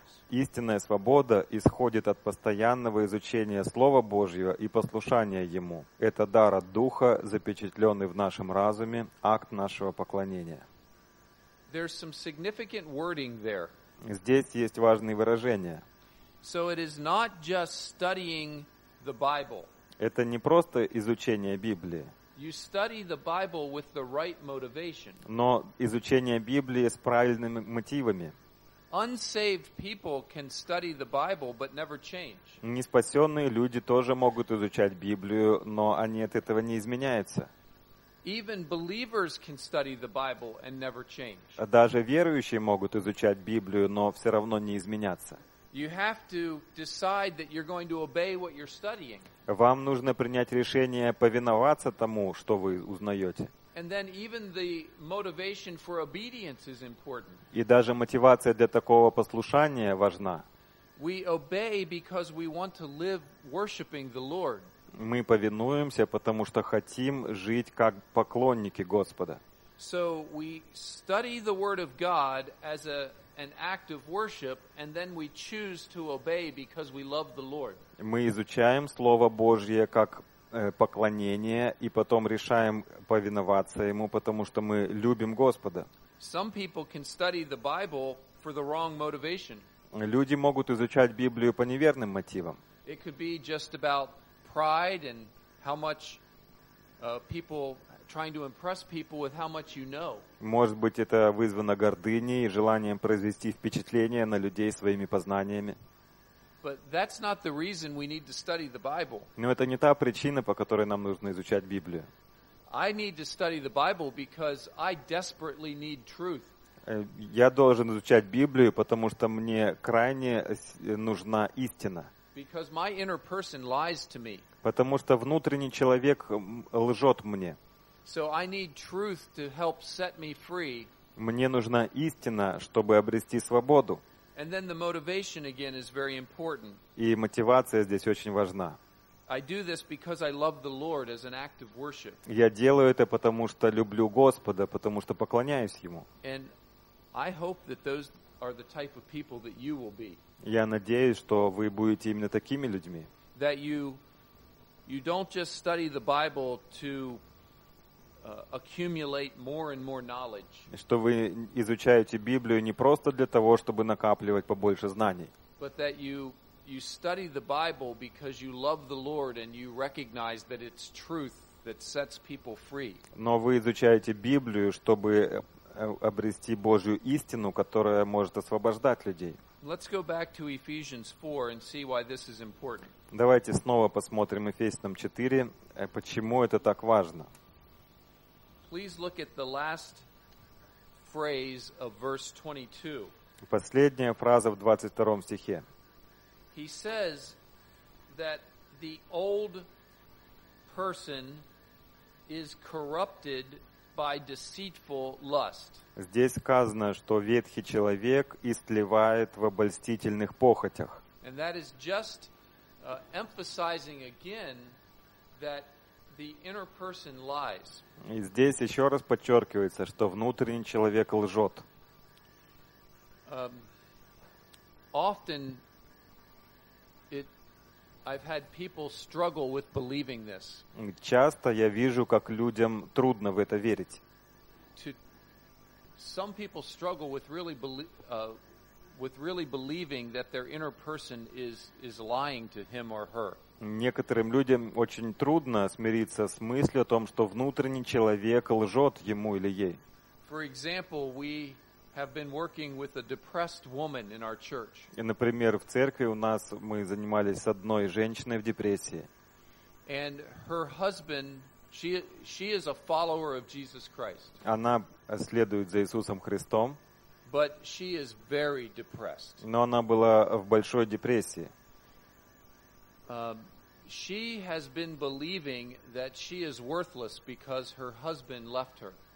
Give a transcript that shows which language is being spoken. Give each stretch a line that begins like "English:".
Russian: Истинная свобода исходит от постоянного изучения Слова Божьего и послушания Ему. Это дар от Духа, запечатленный в нашем разуме, акт нашего поклонения.
English: There's some significant wording there.
Russian: Здесь есть важные выражения.
English: So it is not just studying the Bible.
Russian: Это не просто изучение Библии.
English: You study the Bible with the right motivation.
Russian: Но изучение Библии с правильными мотивами.
English: Unsaved people can study the Bible, but never change.
Russian: Неспасенные люди тоже могут изучать Библию, но они от этого не изменяются.
English: Even believers can study the Bible and never change.
Russian: Даже верующие могут изучать Библию, но все равно не изменяться.
English: You have to decide that you're going to obey what you're studying.
Russian: Вам нужно принять решение повиноваться тому, что вы узнаете.
English: And then even the motivation for obedience is important.
Russian: И даже мотивация для такого послушания важна.
English: We obey because we want to live worshiping the Lord.
Russian: Мы повинуемся, потому что хотим жить как поклонники Господа.
English: So we study the Word of God as an act of worship, and then we choose to obey because we love the Lord.
Russian: Мы изучаем Слово Божье как поклонение, и потом решаем повиноваться Ему, потому что мы любим Господа.
English: Some people can study the Bible for the wrong motivation.
Russian: Люди могут изучать Библию по неверным мотивам.
English: It could be just about pride and how much people trying to impress people with how much you know.
Russian: Может быть, это вызвано гордыней и желанием произвести впечатление на людей своими познаниями.
English: But that's not the reason we need to study the Bible.
Russian: Но это не та причина, по которой нам нужно изучать Библию.
English: I need to study the Bible because I desperately need truth.
Russian: Я должен изучать Библию, потому что мне крайне нужна истина.
English: Because my inner person lies to me.
Russian: Потому что внутренний человек лжет мне.
English: So I need truth to help set me free.
Russian: Мне нужна истина, чтобы обрести свободу.
English: And then the motivation again is very important.
Russian: И мотивация здесь очень важна.
English: I do this because I love the Lord as an act of worship.
Russian: Я делаю это потому что люблю Господа, потому что поклоняюсь Ему.
English: And I hope that those are the type of people that you will be.
Russian: Я надеюсь, что вы будете именно такими людьми.
English: That you don't just study the Bible to accumulate more and more knowledge.
Russian: Что вы изучаете Библию не просто для того, чтобы накапливать побольше знаний.
English: But that you study the Bible because you love the Lord and you recognize that it's truth that sets people free.
Russian: Но вы изучаете Библию, чтобы обрести Божью истину, которая может освобождать людей.
English: Let's go back to Ephesians 4 and see why this is important.
Russian: Давайте снова посмотрим Ефесянам 4, почему это так важно.
English: Please look at the last phrase of verse 22.
Russian: Последняя фраза в 22 стихе.
English: He says that the old person is corrupted by deceitful lust.
Russian: Здесь сказано, что ветхий человек истлевает в обольстительных похотях.
English: And that is just emphasizing again that the inner person lies.
Russian: И здесь еще раз подчеркивается, что внутренний человек лжет.
English: Often I've had people struggle with believing this.
Russian: Часто я вижу, как людям трудно в это верить.
English: Some people struggle with really believing that their inner person is lying to him or her.
Russian: Некоторым людям очень трудно смириться с мыслью о том, что внутренний человек лжет ему или ей.
English: For example, we have been working with a depressed woman in our church.
Russian: И, например, в церкви у нас мы занимались с одной женщиной в депрессии.
English: And her husband, she is a follower of Jesus Christ.
Russian: Она следует за Иисусом Христом.
English: But she is very depressed.
Russian: Но она была в большой депрессии.
English: She has been believing that she is worthless because her husband left her.